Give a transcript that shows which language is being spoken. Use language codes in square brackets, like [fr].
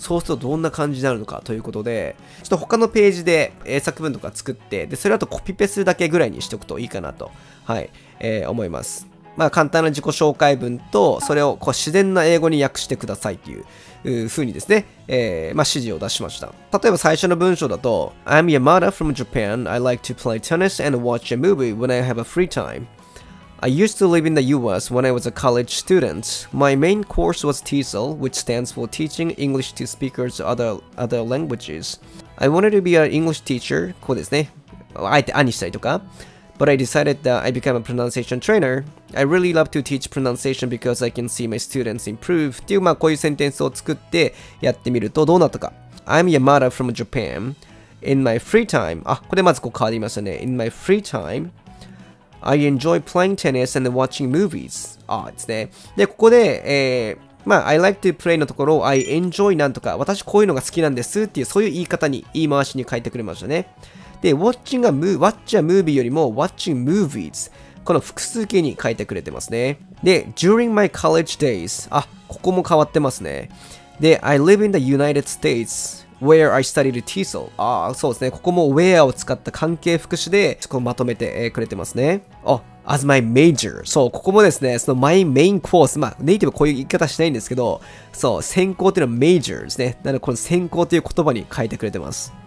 [ja] そうするとどんな感じになるのかということで、ちょっと他のページで英作文とか作って、で、それあとコピペするだけぐらいにしておくといいかなと、はい、思います。まあ、簡単な自己紹介文とそれをこう自然な英語に訳してくださいっていう風にですね、まあ指示を出しました。例えば最初の文章だと [en] I'm Yamada from Japan. I like to play tennis and watch a movie when I have a free time. I used to live in the US when I was a college student. My main course was TESOL, which stands for Teaching English to Speakers Other Languages. I wanted to be an English teacher. [ja] こうですね、あえて兄したりとか。 [en] But I decided that I became a pronunciation trainer. I really love to teach pronunciation because I can see my students improve. [ja] っていう、まあ、こういうセンテンスを作ってやってみるとどうなったか。 [en] I'm Yamada from Japan. In my free time. [ja] あ、ここでまずこう変わりましたね。 [en] In my free time, I enjoy playing tennis and watching movies. [ja] あ、ですね。で、ここで、まあ、 [en] I like to play [ja] のところを [en] I enjoy [ja] なんとか。私こういうのが好きなんですっていう、そういう言い方に、言い回しに変えてくれましたね。 [en] で、watching a movie、watch a movie [ja] よりも [en] watching movies。 [ja] この複数形に書いてくれてますね。 [en] で、during my college days。 [ja] あ、ここも変わってますね。 [en] で、I live in the United States where I studied TESOL。 [ja] あ、そうですね。ここも where を使った関係副詞でこうまとめてくれてますね。あ、 [en] as my major。 [ja] そう、ここもですね、その [en] my main course。 [ja] まあ、ネイティブはこういう言い方しないんですけど、そう、専攻というのは major ですね。なので、この専攻という言葉に書いてくれてます。